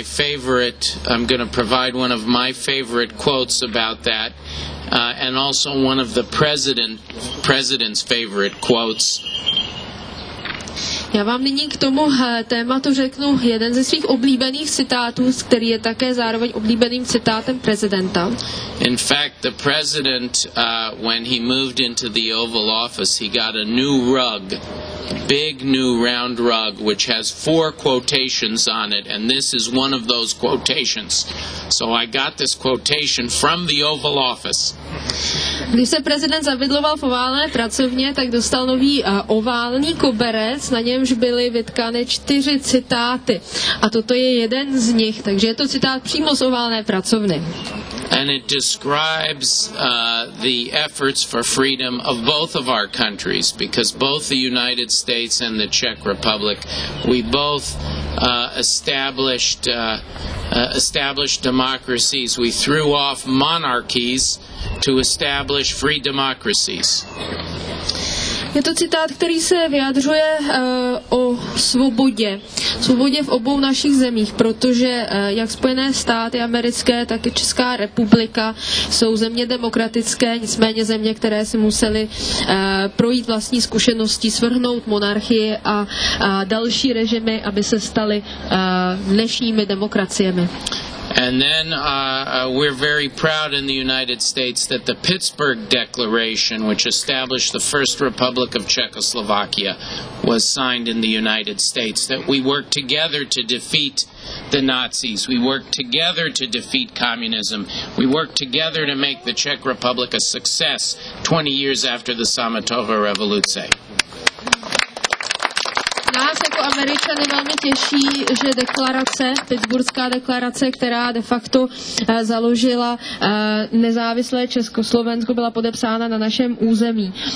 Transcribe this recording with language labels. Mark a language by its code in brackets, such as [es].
[en] I'm going to provide one of my favorite quotes about that, and also one of the president's favorite quotes. [cs] Já vám nyní k tomu tématu řeknu jeden ze svých oblíbených citátů, který je také zároveň oblíbeným citátem prezidenta. [en] In fact, the president, when he moved into the Oval Office, he got a new rug, big new round rug, which has four quotations on it, and this is one of those quotations. So I got this quotation from the Oval Office. [cs] Když se prezident zavidloval v oválné pracovně, tak dostal nový oválný koberec, na němž byly vytkány čtyři citáty. A toto je jeden z nich, takže je to citát přímo z oválné pracovny. [en] And it describes the efforts for freedom of both of our countries, because both the United States and the Czech Republic, we both established democracies. We threw off monarchies to establish free democracies. [cs] Je to citát, který se vyjadřuje o svobodě. Svobodě v obou našich zemích, protože jak Spojené státy americké, tak i Česká republika jsou země demokratické, nicméně země, které si musely projít vlastní zkušeností, svrhnout monarchii a další režimy, aby se staly dnešními demokraciemi. [en] And then we're very proud in the United States that the Pittsburgh Declaration, which established the First Republic of Czechoslovakia, was signed in the United States, that we worked together to defeat the Nazis, we worked together to defeat communism, we worked together to make the Czech Republic a success 20 years after the Sametova Revoluce. [cs] Američany velmi těší, že deklarace, Pittsburghská deklarace, která de facto založila nezávislé Československo, byla podepsána na našem území.